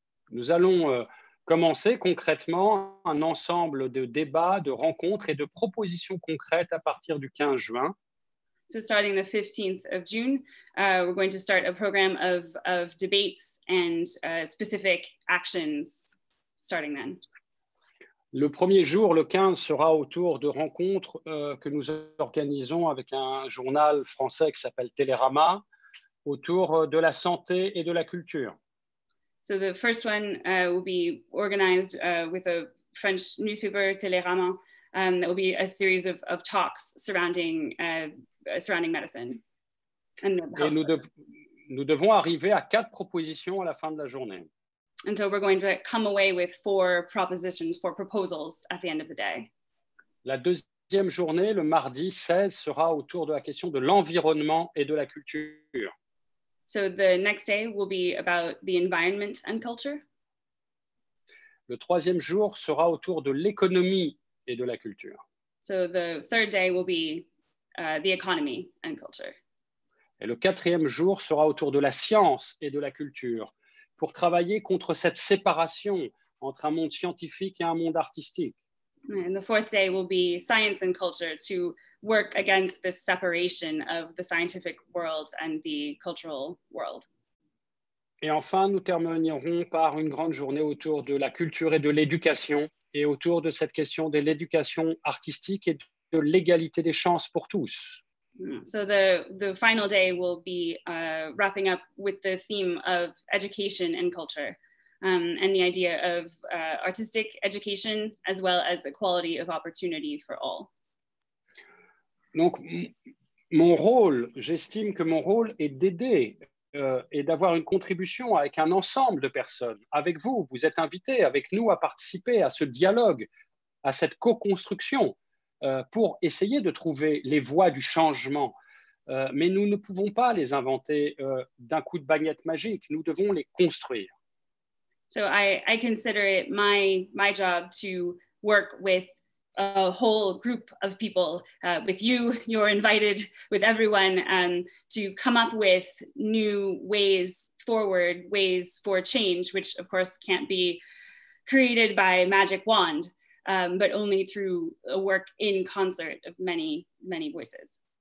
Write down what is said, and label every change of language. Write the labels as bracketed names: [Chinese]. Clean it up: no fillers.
[French] Nous allons commencer concrètement un ensemble de débats, de rencontres et de propositions concrètes à partir du 15 juin. [English] So starting the 15th of June, we're going to start a program of debates and specific actions starting then. [French] Le premier jour, le 15, sera autour de rencontres que nous organisons avec un journal français qui s'appelle Télérama, autour de la santé et de la culture. [English] So the first one will be organized with a French newspaper, Télérama, and it will be a series of talks surrounding medicine. [French] And et nous devons arriver à 4 propositions à la fin de la journée. [English] And so we're going to come away with 4 propositions, 4 proposals at the end of the day. [French] La deuxième journée, le mardi 16, sera autour de la question de l'environnement et de la culture. [English] So the next day will be about the environment and culture. [French] Le troisième jour sera autour de l'économie et de la culture. [English] So the third day will be the economy and culture. [French] Et le quatrième jour sera autour de la science et de la culture, pour travailler contre cette séparation entre un monde scientifique et un monde artistique. [English] And the fourth day will be science and culture, to work against this separation of the scientific world and the cultural world. [French] Et enfin, nous terminerons par une grande journée autour de la culture et de l'éducation, et autour de cette question de l'éducation artistique et de l'égalité des chances pour tous. [English] So the final day will be wrapping up with the theme of education and culture, and the idea of artistic education as well as equality of opportunity for all. [French] Donc mon rôle, j'estime que mon rôle est d'aider et d'avoir une contribution avec un ensemble de personnes, avec vous, vous êtes invités avec nous à participer à ce dialogue, à cette co-construction, pour essayer de trouver les voies du changement. Mais nous ne pouvons pas les inventer d'un coup de baguette magique, nous devons les construire. [English] So I consider it my job to work with a whole group of people, with you, you're invited, with everyone, to come up with new ways forward, ways for change, which of course can't be created by magic wand, but only through a work in concert of many, many voices.